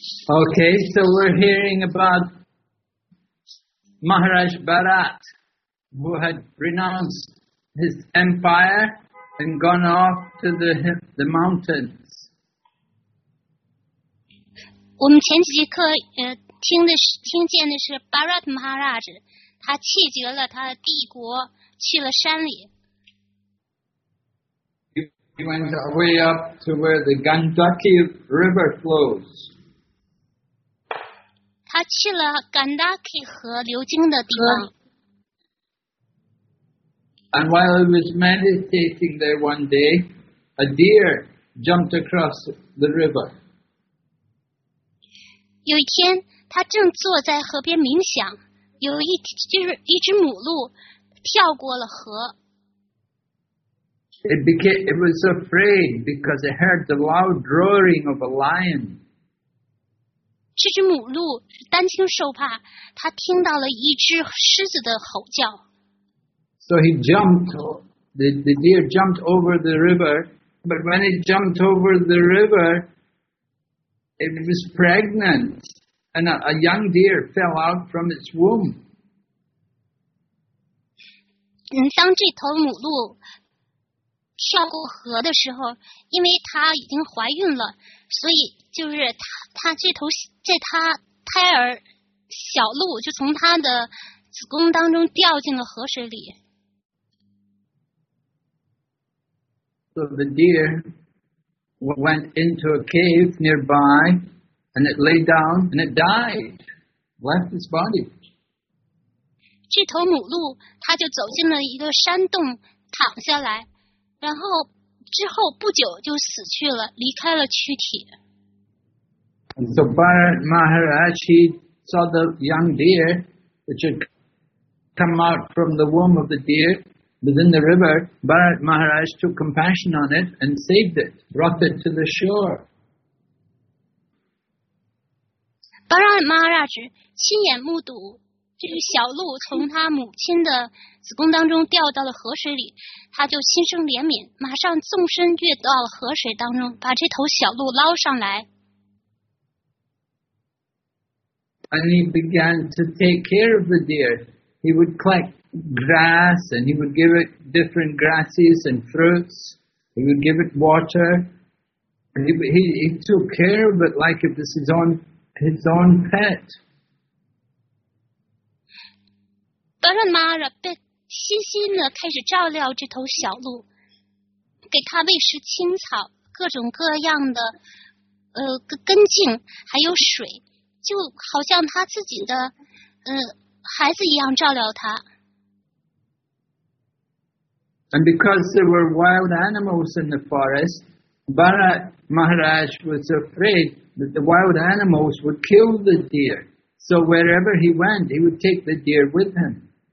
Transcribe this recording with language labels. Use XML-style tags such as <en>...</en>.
<en>Okay, so we're hearing about Maharaj Bharat, who had renounced his empire. And gone off to the mountains.</en> <zh>我们前几课听见的是 Bharat Maharaj, 他弃绝了他的帝国，去了山里。</zh> <en>He went away up to where the Gandaki River flows.</en> <zh>他去了 Gandaki 河流经的地方。</zh> <en>And while he was meditating there one day, a deer jumped across the river.</en> <zh>有一天，他正坐在河边冥想，有一只母鹿跳过了河。</zh> <en>It was afraid because it heard the loud roaring of a lion.</en> <zh>这只母鹿担惊受怕，它听到了一只狮子的吼叫。</zh> <en>So he jumped, the deer jumped over the river, but when it jumped over the river, it was pregnant, and a young deer fell out from its womb.</en> <zh>当这头母鹿跳过河的时候，因为它已经怀孕了，所以就是它胎儿小鹿就从它的子宫当中掉进了河水里。</zh> <en>So the deer went into a cave nearby, and it lay down and it died, left its body.</en> <zh>这头母鹿，它就走进了一个山洞，躺下来，然后之后不久就死去了，离开了躯体。</zh> <en>And so Bharat Maharaj saw the young deer, which had come out from the womb of the deer. Within the river, Bharat Maharaj took compassion on it and saved it, brought it to the shore.</en> <zh>Bharat Maharaj 亲眼目睹这个小鹿从他母亲的子宫当中掉到了河水里，他就心生怜悯，马上纵身跃到了河水当中，把这头小鹿捞上来。</zh> <en>And he began to take care of the deer. He would collect grass, and he would give it different grasses and fruits. He would give it water. He took care of it like it was his own pet.</en> <zh>Bharat Maharaj 被心心的开始照料这头小鹿，给它喂食青草，各种各样的根茎，还有水，就好像他自己的孩子一样照料它。</zh> <en>And because there were wild animals in the forest, Bharat Maharaj was afraid that the wild animals would kill the deer. So wherever he went, he would take the deer with him.</en>